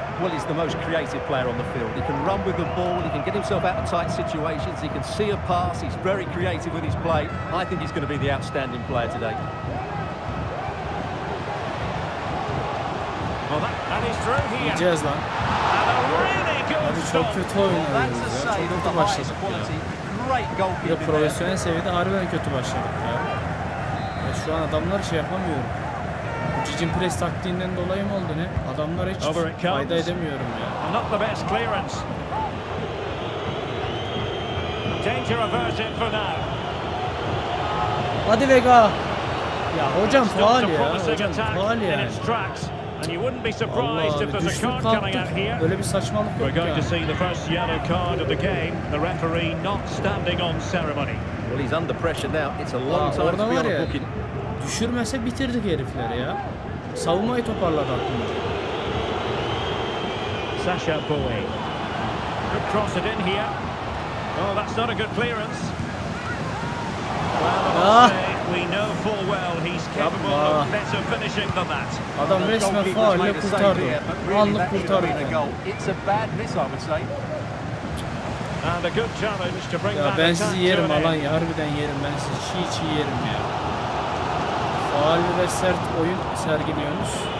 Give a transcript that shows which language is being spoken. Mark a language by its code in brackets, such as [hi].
[en] Well, he's the most creative player on the field. He can run with the ball, he can get himself out of tight situations, he can see a pass, he's very creative with his play. I think he's going to be the outstanding player today. Well, that is through here. He does, man. And a really good stop. That's a save of the highest quality. Great goalkeeping there. [tr] Profesyonel seviyede harbiden kötü başladık ya. Ya şu an adamları şey yapamıyorum. Cicim pres taktiğinden dolayı mı oldu ne? Adamlar hiç fayda edemiyorum ya. [en] Not the best clearance. Danger averted for now. [tr] Hadi Vega. Ya hocam faal ya. Hocam faal ya. [en] And you wouldn't be surprised if there's a card coming out here. [tr] Böyle bir saçmalık yok. [en] We're going to see the first yellow card of the game. The referee not standing on ceremony. Well, he's under pressure now. It's a long time to be on a booking. [tr] Düşürmese bitirdik herifleri ya. Savunmayı toparladı aklımda. [en] Sasha Boye. Good cross it in here. Oh, that's not a good clearance. Well, we know full well he's capable of better finishing than that. [tr] Adam resmen faulle kurtardı. Anlık kurtardı. [en] It's a bad miss, I would say. And a good challenge to bring back. [tr] Ya ben sizi yerim alan ya. Harbiden yerim ben sizi. Çiğ çiğ yerim ya. Faal ve sert oyun sergiliyorsunuz.